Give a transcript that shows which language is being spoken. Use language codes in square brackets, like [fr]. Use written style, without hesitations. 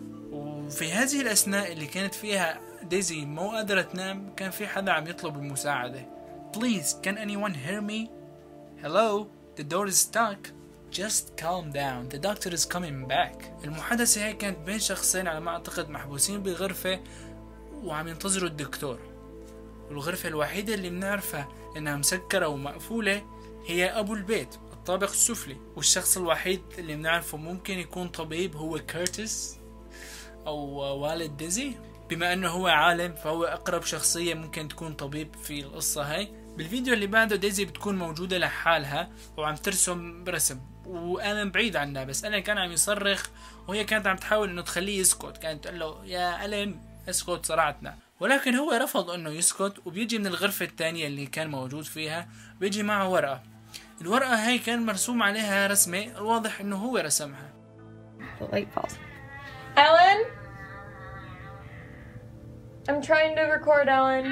[ar] وفي هذه الأثناء اللي كانت فيها ديزي مو قادرة تنام، كان في حدا عم يطلب المساعدة. [en] Please, can anyone hear me? Hello, the door is stuck. Just calm down, the doctor is coming back. [ar] المحادثة هي كانت بين شخصين على ما أعتقد محبوسين بغرفة وعم ينتظروا الدكتور. والغرفة الوحيدة اللي بنعرفها إنها مسكرة ومقفولة هي أبو البيت، الطابق السفلي. والشخص الوحيد اللي بنعرفه ممكن يكون طبيب هو كيرتس أو والد ديزي. بما أنه هو عالم فهو أقرب شخصية ممكن تكون طبيب في القصة هاي. بالفيديو اللي بعده ديزي بتكون موجودة لحالها وعم ترسم رسم، وآلن بعيد عنها، بس آلن كان عم يصرخ وهي كانت عم تحاول انه تخليه يسكت. كانت تقول له يا آلن اسكت صرعتنا، ولكن هو رفض انه يسكت. وبيجي من الغرفة الثانية اللي كان موجود فيها، بيجي معه ورقة. الورقة هاي كان مرسوم عليها رسمة، الواضح انه هو رسمها. [en] Alan I'm trying to record, Alan.